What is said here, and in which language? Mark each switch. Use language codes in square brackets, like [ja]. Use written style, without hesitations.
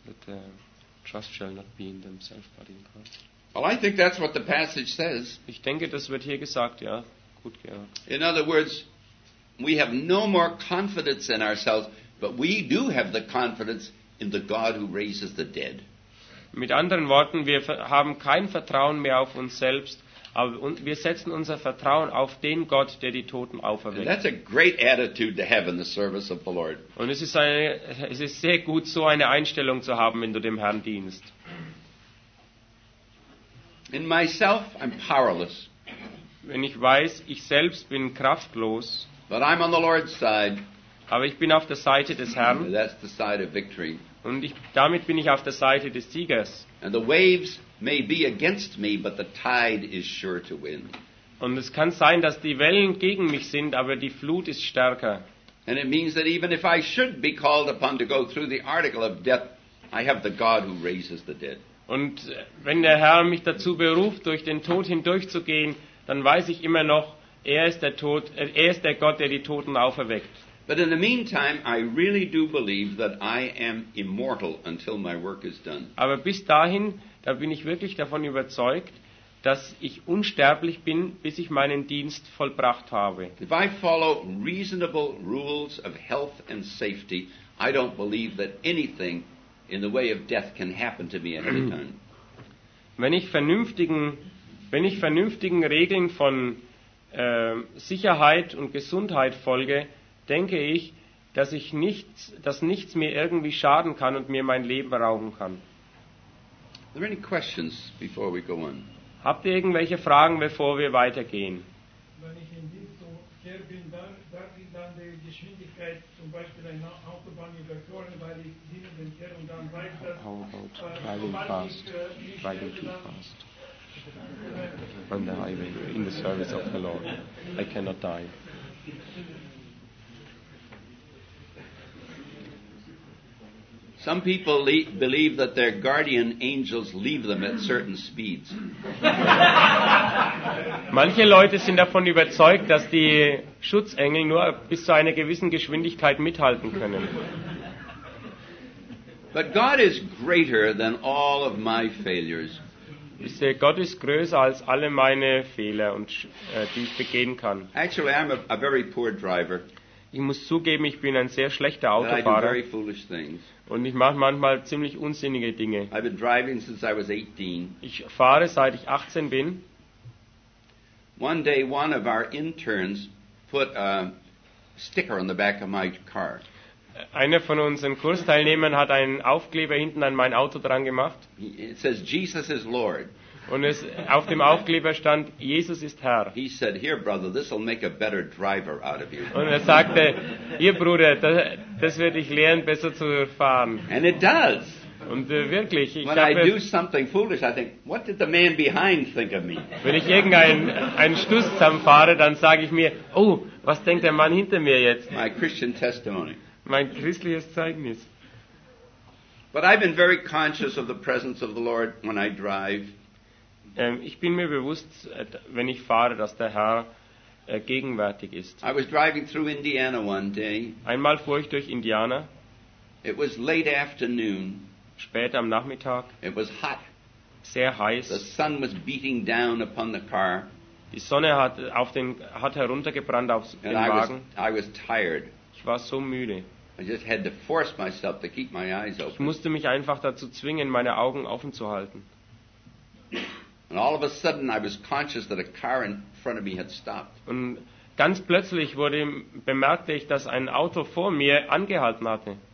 [en] But trust shall not be in themselves, but in Christ. Well, I think that's what the passage says. [de] Ich denke, das wird hier gesagt, ja. Gut, ja. [en] In other words, we have no more confidence in ourselves, but we do have the confidence in the God who raises the dead. [de] Mit anderen Worten, wir haben kein Vertrauen mehr auf uns selbst, aber wir setzen unser Vertrauen auf den Gott, der die Toten auferweckt. [en] That's a great attitude to have in the service of the Lord. [de] Und es ist sehr gut, so eine Einstellung zu haben, wenn du dem Herrn dienst. [en] In myself, I'm powerless. [de] Wenn ich weiß, ich selbst bin kraftlos. [en] But I'm on the Lord's side. [de] Aber ich bin auf der Seite des Herrn. [en] That's the side of victory. [de] Und damit bin ich auf der Seite des Siegers. [en] And the waves may be against me, but the tide is sure to win. [de] Und es kann sein, dass die Wellen gegen mich sind, aber die Flut ist stärker. [en] And it means that even if I should be called upon to go through the article of death, I have the God who raises the dead. [de] Und wenn der Herr mich dazu beruft, durch den Tod hindurchzugehen, dann weiß ich immer noch, er ist der Gott, der die Toten auferweckt. [en] But in the meantime, I really do believe that I am immortal until my work is done. [de] Aber bis dahin, da bin ich wirklich davon überzeugt, dass ich unsterblich bin, bis ich meinen Dienst vollbracht habe. [en] If I follow reasonable rules of health and safety, I don't believe that anything in the way of death can happen to me at any time. [de] Wenn ich vernünftigen Regeln von Sicherheit und Gesundheit folge, denke ich, dass nichts mir irgendwie schaden kann und mir mein Leben rauben kann. [en] Are there any questions before we go on? [de] Habt ihr irgendwelche Fragen, bevor wir weitergehen? Wenn ich in Dienst her bin, darf ich dann die Geschwindigkeit zum Beispiel in der Autobahn überfahren, weil ich diene den Herr und dann weiter. [en] How about driving fast? Driving too fast. On the highway, in the service of the Lord. I cannot die. Some people believe that their guardian angels leave them at certain speeds. [de] Manche Leute sind davon überzeugt, dass die Schutzengel nur bis zu einer gewissen Geschwindigkeit mithalten können. [en] But God is greater than all of my failures. [de] Gott ist größer als alle meine Fehler, und die ich begehen kann. [en] Actually, I'm a very poor driver. [de] Ich muss zugeben, ich bin ein sehr schlechter Autofahrer. Und ich mache manchmal ziemlich unsinnige Dinge. [en] I've been driving since I was 18. [de] Ich fahre, seit ich 18 bin. [en] One day, one of our interns put a sticker on the back of my car. [de] Einer von unseren Kursteilnehmern hat einen Aufkleber hinten an mein Auto dran gemacht. [en] It says, Jesus is Lord. [de] Und es auf dem Aufkleber stand, Jesus ist Herr. [en] He said, here, brother, this will make a better driver out of you. [de] Und er sagte, hier, Bruder, das wird dich lehren, besser zu fahren. [en] And it does. [de] Und wirklich, ich [en] when I do something foolish, I think, what did the man behind think of me? [de] Wenn ich irgendeinen Stuss zusammenfahre, dann sage ich mir, oh, was denkt der Mann hinter mir jetzt? [en] My Christian testimony. [de] Mein christliches Zeugnis. [en] But I've been very conscious of the presence of the Lord when I drive. [de] Ich bin mir bewusst, wenn ich fahre, dass der Herr gegenwärtig ist. [en] I was driving through Indiana one day. [de] Einmal fuhr ich durch Indiana. [en] It was late afternoon. [de] Spät am Nachmittag. [en] It was hot. [de] Sehr heiß. [en] The sun was beating down upon the car. [de] Die Sonne hat heruntergebrannt auf den Wagen. [en] I was tired. [de] Ich war so müde. [en] I just had to force myself to keep my eyes open. [de] Ich musste mich einfach dazu zwingen, meine Augen offen zu halten. [en] And all of a sudden I was conscious that a car in front of me had stopped. [de] Und ganz plötzlich bemerkte ich, dass ein Auto vor mir angehalten hatte.